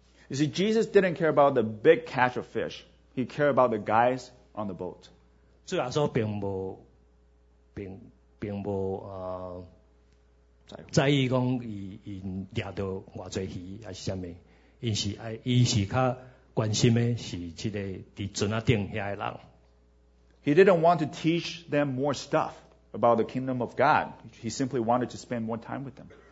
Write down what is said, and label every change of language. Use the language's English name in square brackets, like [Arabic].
[English] You see, Jesus didn't care about the big catch of fish. He cared about the guys on the boat. [Min Nan Chinese] 主耶稣并无在意讲伊抓到偌济鱼还是啥物，伊是较关心的是即个伫船啊顶遐个人。 [English] He didn't want to teach them more stuff about the kingdom of God. He simply wanted to spend more time with them.